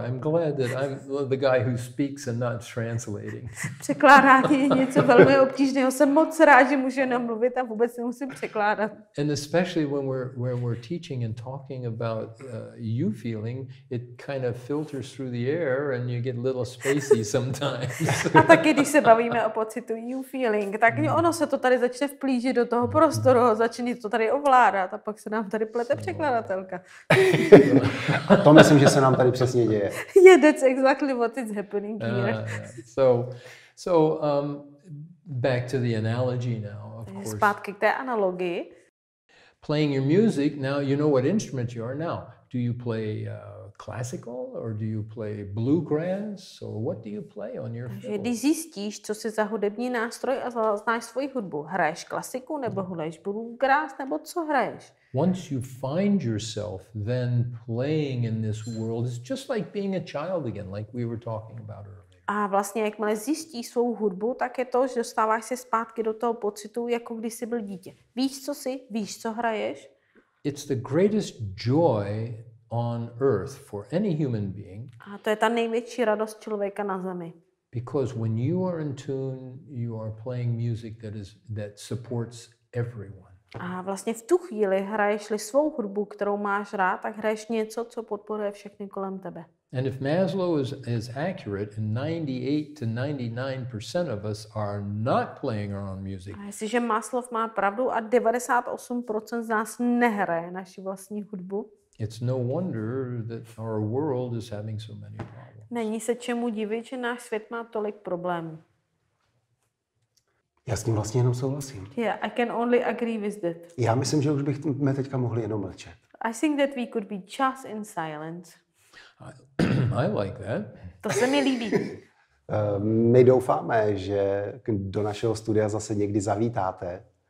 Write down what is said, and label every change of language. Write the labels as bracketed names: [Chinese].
[English] I'm glad that I'm the guy who speaks and not translating. [Czech] Překládání je něco velmi obtížného. Jsem moc rád, že můžu jenom mluvit a vůbec nemusím překládat. [English] And especially when we're teaching and talking about you feeling, it kind of filters through the air and you get a little spacey sometimes. [Czech] A taky když se bavíme o pocitu you feeling, tak ono se to tady začne vplížit do toho prostoru, začne to tady ovládat a pak se nám tady plete překladatelka. A to myslím, že se nám tady přesně děje. [English] Yeah, that's exactly what is happening here. So, back to the analogy now, of course. [Czech] Zpátky k té analogii. [English] Playing your music, now you know what instrument you are now. Do you play classical or do you play bluegrass or what do you play on your fiddle? [Czech] Když zjistíš, co jsi za hudební nástroj a znáš svoji hudbu, hraješ klasiku nebo hraješ bluegrass nebo co hraješ? [English] Once you find yourself then playing in this world, it's just like being a child again, like we were talking about earlier. [Czech] A vlastně jakmile zjistíš svou hudbu, tak je to, že dostáváš se zpátky do toho pocitu, jako když jsi byl dítě. Víš, co jsi, víš, co hraješ? [English] It's the greatest joy on earth for any human being. [Czech] A to je ta největší radost člověka na zemi. [English] Because when you are in tune, you are playing music that supports everyone. [Czech] A vlastně v tu chvíli hraješ-li svou hudbu, kterou máš rád, tak hraješ něco, co podporuje všechny kolem tebe. [English] And if Maslow is accurate, 98-99% of us are not playing our own music. [Czech] A jestliže Maslow má pravdu a 98% z nás nehraje naši vlastní hudbu. [English] It's no wonder that our world is having so many problems. [Czech] Není se čemu divit, že náš svět má tolik problémů. Já s tím vlastně jenom souhlasím. [English] Yeah, I can only agree with that. [Czech] Já myslím, že už bychom teďka mohli jenom mlčet. [English] I think that we could be just in silence. I like that. [Czech] To se mi líbí. My doufáme, že do našeho studia zase někdy zavítáte.